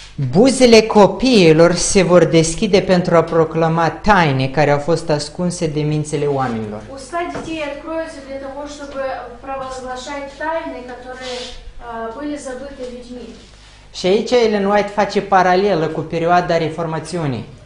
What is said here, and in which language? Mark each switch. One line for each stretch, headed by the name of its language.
Romanian: Buzele copiilor se vor deschide pentru a proclama taine care au fost ascunse de mințile oamenilor.
Russian: Usta детей откроются для того, чтобы провозглашать тайны, которые были забыты людьми.
Romanian: Și aici Ellen White face paralelă cu perioada reformațiunii.